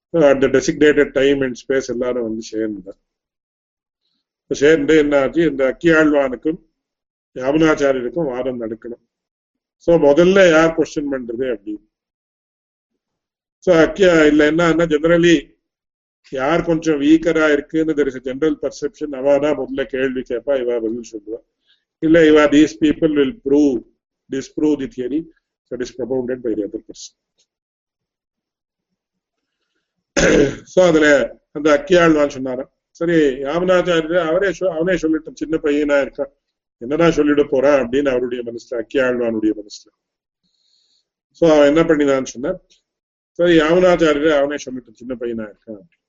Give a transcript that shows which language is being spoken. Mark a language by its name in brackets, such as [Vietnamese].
[English] at the designated time and space [Tamil] எல்லாரும் வந்து சேர்ந்தேன் சேர்ந்து என்ன ஆச்சு இந்த அக்கியாழ்வானுக்கும் யாமனாச்சாரியருக்கும் வாதம் நடக்கணும் சோ முதல்ல யார் க்வெஸ்சன் பண்றது அப்படின்னு சோ அக்கியா இல்ல என்னன்னா ஜெனரலி யார் கொஞ்சம் வீக்கரா இருக்குன்னு தெரியும் ஜெனரல் பர்செப்ஷன் அவாதான் முதல்ல கேள்வி கேட்பா இவா பதில் சொல்லுவா [English] these people will disprove the theory that is propounded by the other person. [Tamil] So அதுல அந்த அக்கியாழ்வான் சொன்னாரா, சரி யாமனாச்சாரியர் அவரே அவனே சொல்லிட்டு சின்ன பையனா இருக்கான் என்னதான் சொல்லிட போறான் அப்படின்னு அவருடைய மனசுல, அக்கியாழ்வானுடைய மனசுல. சோ அவன் என்ன பண்ணினான்னு சொன்னார், சரி யாமனாச்சாரியர் அவனே சொல்லிட்டு சின்ன பையனா இருக்கான்.